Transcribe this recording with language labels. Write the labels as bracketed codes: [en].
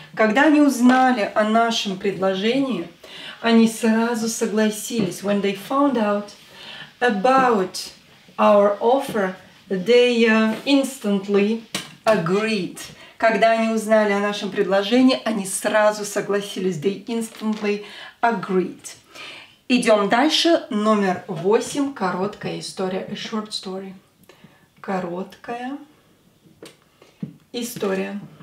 [ru] Когда они узнали о нашем предложении, они сразу согласились. [en] When they found out about our offer, they instantly agreed. [ru] Когда они узнали о нашем предложении, они сразу согласились. [en] They instantly agreed. [ru] Идем дальше. Номер 8. Короткая история. [en] A short story. [ru] Короткая история.